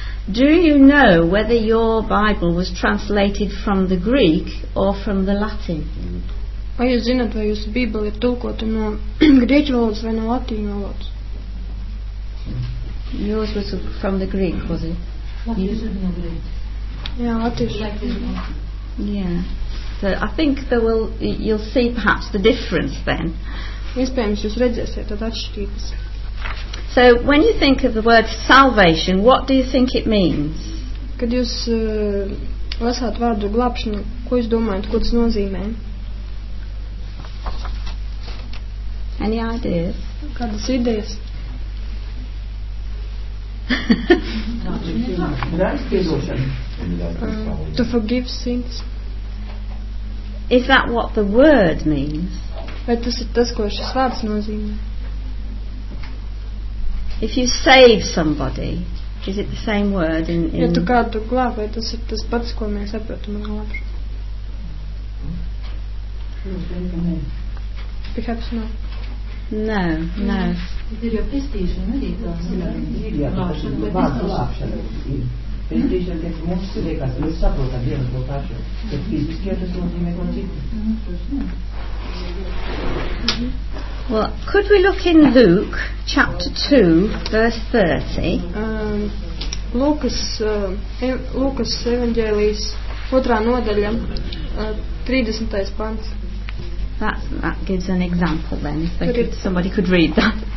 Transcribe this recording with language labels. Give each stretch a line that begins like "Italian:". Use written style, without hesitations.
English: Do you know whether your Bible was translated from the Greek or from the Latin?
Latvian: Vai jūs zināt, vai jūsu Bībele ir tulkota no grieķu valodas vai no latīņu valodas?
English: Yours was from the Greek, was it?
Latvian: Jā, latīšu.
English: Yeah. So I think there will you'll see perhaps the difference then.
Latvian: Iespējams, jūs redzēsiet tad atšķirības.
English: So when you think of the word salvation, what do you think it means?
Latvian: Kad jūs lasāt vārdu glābšana, ko jūs domājat, ko tas nozīmē?
English: Any ideas?
Latvian: Kādas idejas?
English: to forgive sins. Is that what the word means?
Latvian: Vai tas ir tas, ko šis vārds nozīmē?
English: If you save somebody, is it the same word in
Latvian: Ja tu kādu glābi, vai tas ir tas pats, ko mēs saprotam ar glābšanu? Mm.
English: Perhaps not. No, no.
Latvian: Ir jau pestīšana, arī tās glābšana. Pestīšana, tiek mums liekas, mēs saprotam vienas no tāšu, ka fiziski tas nozīmē ko citu.
English: Well, could we look in Luke chapter 2, verse 30?
Latvian: Lūkas evaņģēlijas 2. Nodaļa 30. Pants.
English: That gives an example then, if they could, somebody could read that.